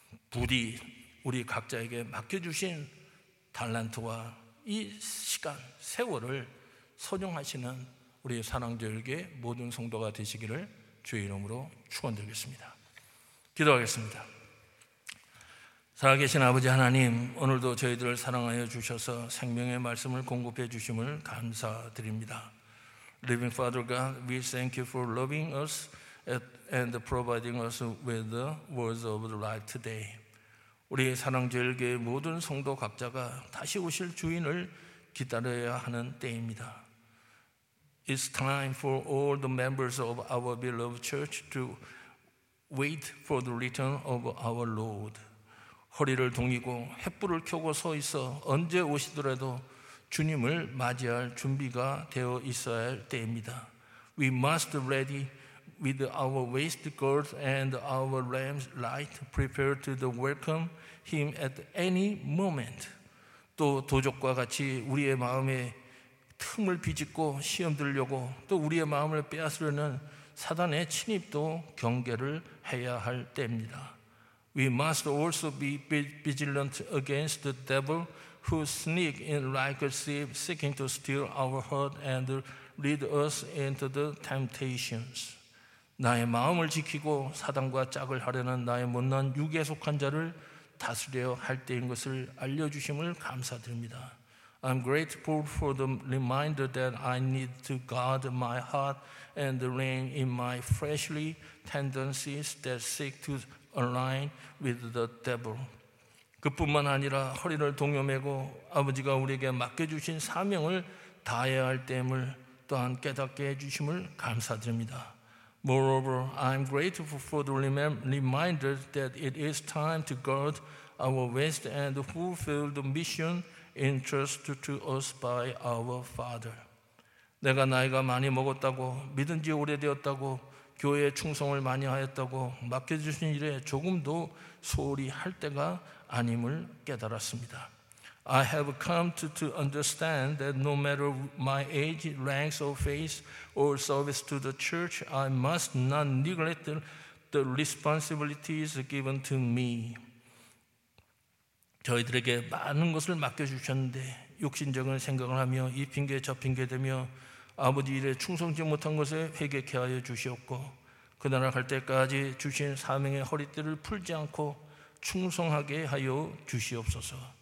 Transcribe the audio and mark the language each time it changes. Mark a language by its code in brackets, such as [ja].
[ko] 부디 우리 각자에게 맡겨주신 달란트와 이 시간, 세월을 선용하시는 우리 사랑절개 모든 성도가 되시기를 주의 이름으로 축원드리겠습니다. 기도하겠습니다. 살아계신 아버지 하나님, 오늘도 저희들을 사랑하여 주셔서 생명의 말씀을 공급해 주심을 감사드립니다. [en] Living Father God, we thank you for loving us and providing us with the words of life today. [ko] 우리의 사랑제일교회 모든 성도 각자가 다시 오실 주인을 기다려야 하는 때입니다. [en] It's time for all the members of our beloved church to wait for the return of our Lord. [ko] 허리를 동이고 횃불을 켜고 서 있어 언제 오시더라도 주님을 맞이할 준비가 되어 있어야 할 때입니다. [en] We must be ready with our waist girds and our lamp's light prepared to welcome him at any moment. [ko] 또 도적과 같이 우리의 마음에 틈을 비집고 시험 들려고 또 우리의 마음을 빼앗으려는 사단의 침입도 경계를 해야 할 때입니다. [en] We must also be vigilant against the devil who sneak in like a thief seeking to steal our heart and lead us into the temptations. [ko] 나의 마음을 지키고 사단과 짝을 하려는 나의 못난 육에 속한 자를 다스려야 할 때인 것을 알려주심을 감사드립니다. [en] I'm grateful for the reminder that I need to guard my heart and rein in my fleshly tendencies that seek to align with the devil. [ko] 그뿐만 아니라 허리를 동여매고 아버지가 우리에게 맡겨주신 사명을 다해야 할 때임을 또한 깨닫게 해주심을 감사드립니다. [en] Moreover, I'm grateful for the reminder that it is time to guard our waist and fulfill the mission entrusted to us by our Father. [ko] 내가 나이가 많이 먹었다고, 믿은 지 오래되었다고, 교회에 충성을 많이 하였다고, 맡겨주신 일에 조금도 소홀히 할 때가 아님을 깨달았습니다. [en] I have come to understand that no matter my age, ranks of faith, or service to the church, I must not neglect the responsibilities given to me. [ko] 저희들에게 많은 것을 맡겨주셨는데 육신적인 생각을 하며 이 핑계 저 핑계 되며 아버지 일에 충성치 못한 것에 회개케 하여 주시옵고 그날을 갈 때까지 주신 사명의 허리띠를 풀지 않고 충성하게 하여 주시옵소서.